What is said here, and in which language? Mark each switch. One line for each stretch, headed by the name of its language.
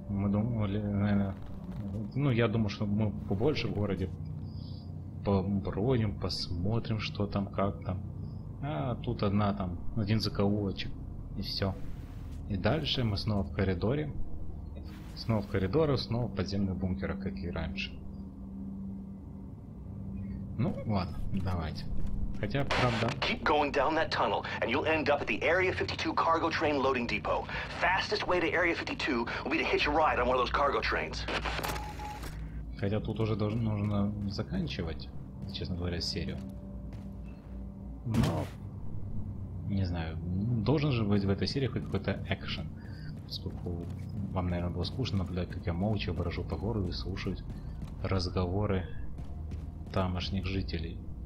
Russian: Мы думали, наверное... Ну, я думаю, что мы побольше в городе побродим, посмотрим, что там, как там. А тут одна там, один закоулочек, и все. И дальше мы снова в коридоре. Снова в коридорах, снова в подземных бункерах, как и раньше. Ну, ладно, давайте. Хотя, правда...
English: Keep going down that tunnel, and you'll end up at the Area 52 cargo train loading depot. Fastest way to Area 52 will be to hitch a ride on one of those cargo trains.
Russian: Хотя тут уже нужно заканчивать, честно говоря, серию. Но, не знаю, должен же быть в этой серии хоть какой-то экшен. Поскольку вам, наверное, было скучно наблюдать, как я молча брожу по городу и слушаю разговоры тамошних жителей.